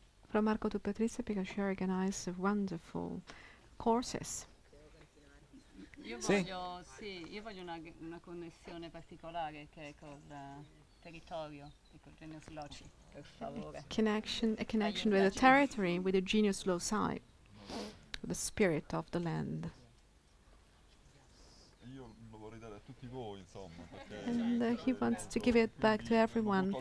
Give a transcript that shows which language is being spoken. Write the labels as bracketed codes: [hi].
[en] From Marco to Patrizia, because she organized wonderful courses. [it] Io voglio una connessione particolare che è col territorio, col genius loci, per favore. [en] A connection with the territory, with the genius loci, the spirit of the land. [it] Io lo vorrei dare a tutti voi, insomma. [en] And he wants to give it back to everyone.